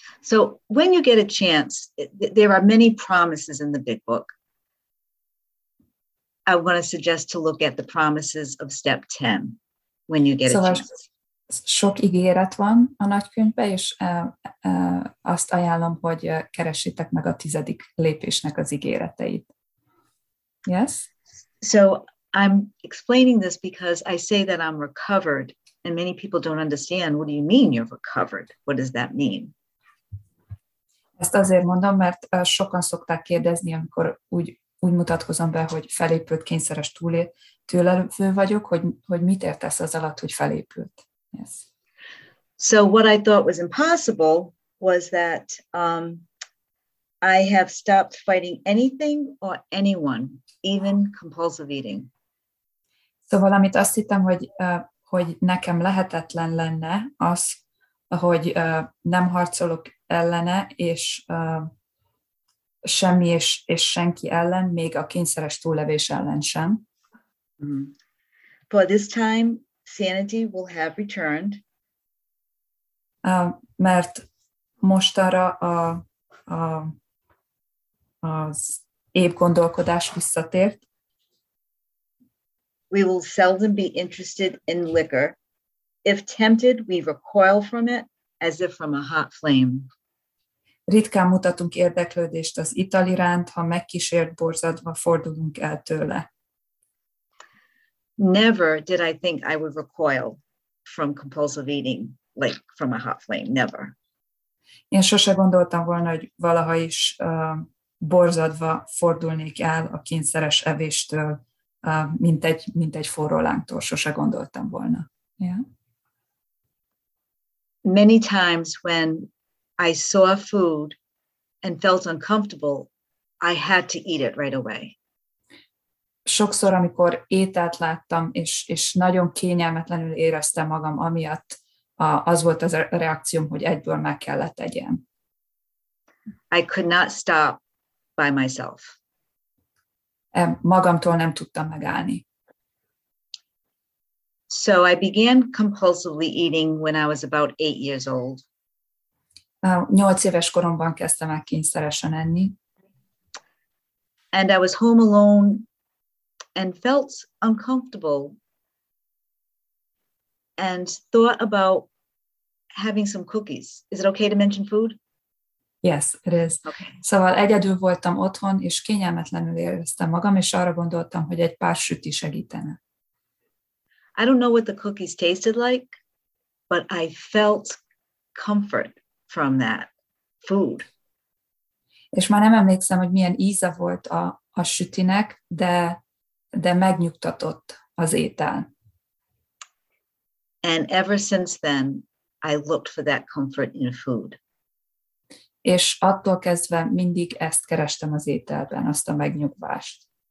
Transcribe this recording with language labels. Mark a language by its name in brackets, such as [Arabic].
[English] So when you get a chance, there are many promises in the big book. I want to suggest to look at the promises of step 10 when you get a chance. [Hungarian] Sok ígéret van a nagykönyvben, és azt ajánlom, hogy keressétek meg a tizedik lépésnek az ígéreteit. [English] Yes? So I'm explaining this because I say that I'm recovered, and many people don't understand, what do you mean you're recovered? What does that mean? [Hungarian] Ezt azért mondom, mert sokan szokták kérdezni, amikor úgy mutatkozom be, hogy felépült kényszeres túllevő vagyok, hogy mit értesz az alatt, hogy felépült. [English] Yes. So what I thought was impossible was that I have stopped fighting anything or anyone, even compulsive eating. [Hungarian] Szóval amit azt hittem, hogy nekem lehetetlen lenne az, hogy nem harcolok ellene, és semmi és senki ellen, még a kényszeres túllevés ellen sem. [English] For this time, sanity will have returned. [Hungarian] Mert mostanra az épp gondolkodás visszatért. [English] We will seldom be interested in liquor. If tempted, we recoil from it as if from a hot flame. [Hungarian] Ritkán mutatunk érdeklődést az ital iránt, ha megkísért, borzadva fordulunk el tőle. [English] Never did I think I would recoil from compulsive eating, like from a hot flame, never. [Hungarian] Én sose gondoltam volna, hogy valaha is borzadva fordulnék el a kényszeres evéstől, mint egy forró lángtól, sose gondoltam volna. [English] Yeah. Many times when I saw food and felt uncomfortable, I had to eat it right away. [Hungarian] Sokszor, amikor ételt láttam, és nagyon kényelmetlenül éreztem magam, amiatt az volt az a reakcióm, hogy egyből meg kellett egyem. [English] I could not stop by myself. [Hungarian] Magamtól nem tudtam megállni. [English] So I began compulsively eating when I was about 8 years old. [Hungarian] 8 éves koromban kezdtem el kényszeresen enni. [English] And I was home alone and felt uncomfortable and thought about having some cookies. Is it okay to mention food? Yes, it is. Okay. [Hungarian] Szóval egyedül voltam otthon, és kényelmetlenül éreztem magam, és arra gondoltam, hogy egy pár süti segítene. [English] I don't know what the cookies tasted like, but I felt comfort from that food. [Hungarian] És már nem emlékszem, hogy milyen íze volt a sütinek, de megnyugtatott az étel. [English] And ever since then, I looked for that comfort in food. [Hungarian] És attól kezdve mindig ezt kerestem az ételben, azt a megnyugvást.